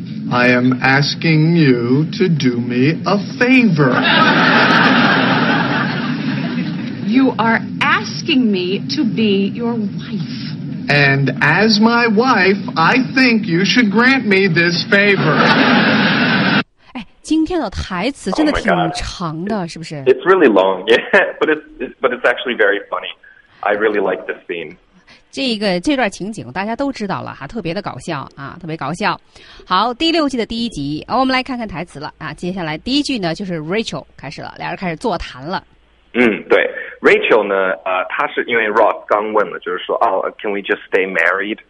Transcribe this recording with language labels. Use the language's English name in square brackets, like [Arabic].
[English] I am asking you to do me a favor. You are asking me to be your wife. And as my wife, I think you should grant me this favor. [Chinese] 今天的台词真的挺长的，是不是？ [English] It's really long, yeah, but it's actually very funny. I really like this scene. [Chinese] 这段情景大家都知道了哈，特别的搞笑啊，特别搞笑。好，第六季的第一集，我们来看看台词了啊。接下来第一句呢，就是 Rachel 开始了，俩人开始座谈了。嗯，对 ，Rachel 呢，他是因为 Ross 刚问了，就是说，哦 ， [English] Can we just stay married？